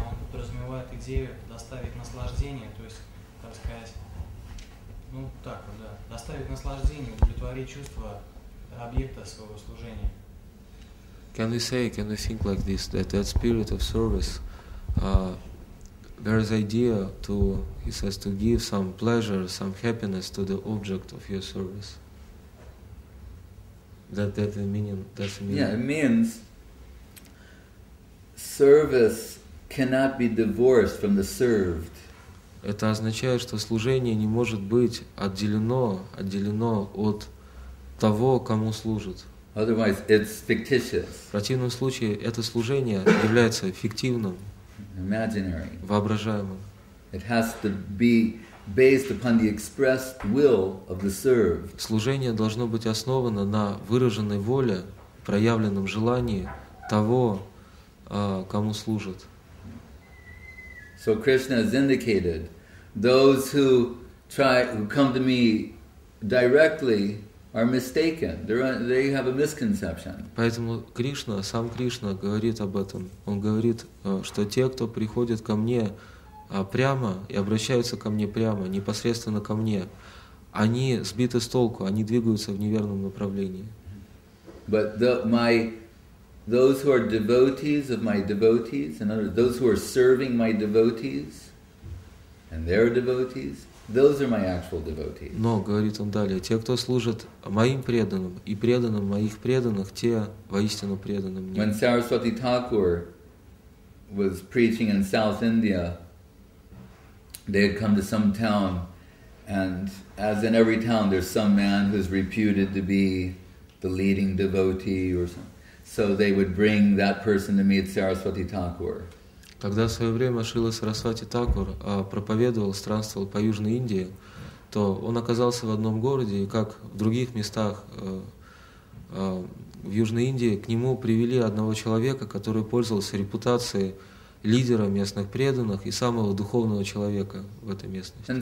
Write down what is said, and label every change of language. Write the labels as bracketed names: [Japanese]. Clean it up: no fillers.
[Russian] подразумевает идею доставить наслаждение, то есть, так сказать, ну так вот, да, доставить наслаждение, удовлетворить чувство объекта своего служения. [English] Can we say, can we think like this, that that spirit of service, there is idea to, he says, to give some pleasure, some happiness to the object of your service? That the meaning, that's the meaning. Yeah, it means service cannot be divorced from the served. [Russian] Это означает, что служение не может быть отделено от того, кому служит. [English] Otherwise, it's fictitious. [Russian] В противном случае, это служение является фиктивным, [English] imaginary. [Russian] Воображаемым. [English] It has to be based upon the expressed will of the served. [Russian] Служение должно быть основано на выраженной воле, проявленном желании того, кому служит. [English] So Krishna has indicated, those who come to me directly are mistaken. They have a misconception. [Russian] Поэтому Кришна, сам Кришна говорит об этом. Он говорит, что те, кто приходит ко мне прямо и обращаются ко мне прямо, непосредственно ко мне, они сбиты с толку, они двигаются в неверном направлении. [English] But those who are devotees of my devotees, and those who are serving my devotees, and their devotees, those are my actual devotees. [Russian] Но, говорит он далее, те, кто служит моим преданным и преданным моих преданных, те воистину преданы мне. [English] When Saraswati Thakur was preaching in South India, they had come to some town, and as in every town, there's some man who's reputed to be the leading devotee or something. So they would bring that person to meet Saraswati Thakur. [Russian] Когда в свое время Шрила Сарасвати Такур проповедовал, странствовал по Южной Индии, то он оказался в одном городе, и как в других местах в Южной Индии, к нему привели одного человека, который пользовался репутацией лидера местных преданных и самого духовного человека в этой местности.